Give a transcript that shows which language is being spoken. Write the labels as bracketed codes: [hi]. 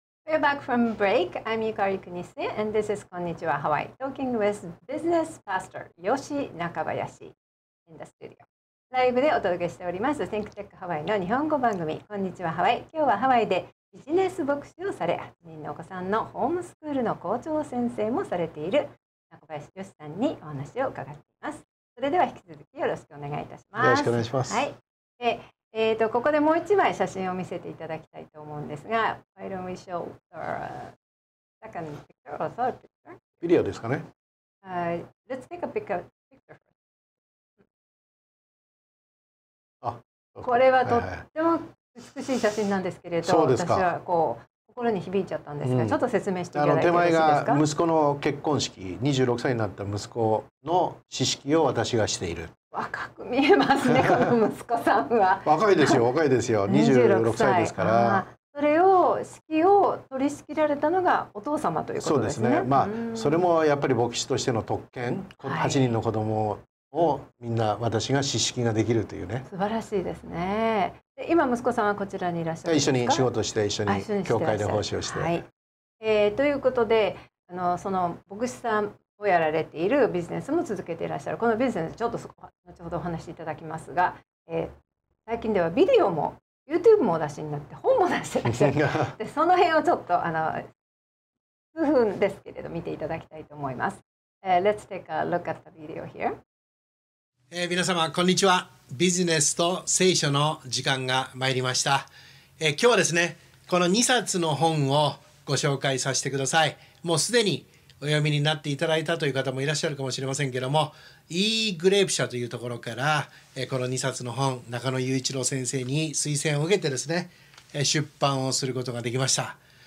[en] We're back from break. I'm Yukari Kunise, and this is Konnichiwa Hawaii, talking with business pastor Yoshi Nakabayashi in the studio. [ja] ライブでお届けしております Think Tech Hawaii の日本語番組こんにちはハワイ。今日はハワイでビジネス牧師をされ、8人のお子さんのホームスクールの校長先生もされている中林義さんにお話を伺っています。それでは引き続きよろしくお願いいたします。よろしくお願いします。はい、ここでもう1枚写真を見せていただきたいと思うんですが、 [en] Why don't we show the second picture or third picture? [ja] ビデオですかね。 [en] Let's take a picture first. [ja] これはとっても美しい写真なんですけれど、私はこう心に響いちゃったんですが、うん、ちょっと説明していただいてよろしいですか。手前が息子の結婚式、26歳になった息子の式式を私がしている。若く見えますねこの息子さんは。若いですよ26歳ですから。それを式を取り仕切られたのがお父様ということですね。そうですね、まあ、それもやっぱり牧師としての特権、うん、8人の子供を、はい、をみんな私が指式ができるというね。素晴らしいですね。で今息子さんはこちらにいらっしゃるんですか。一緒に仕事して一緒に教会で奉仕をして、はい、ということで、その牧師さんをやられているビジネスも続けていらっしゃる。このビジネスちょっと後ほどお話しいただきますが、最近ではビデオも YouTube もお出しになって本も出してらっしゃるでその辺をちょっと数分ですけれど見ていただきたいと思います。 [en] Let's take a look at the video here。 [ja] 皆様こんにちは。ビジネスと聖書の時間が参りました。今日はですね、この2冊の本をご紹介させてください。もうすでにお読みになっていただいたという方もいらっしゃるかもしれませんけども、 E グレープ社というところから、この2冊の本、中野雄一郎先生に推薦を受けてですね、出版をすることができました。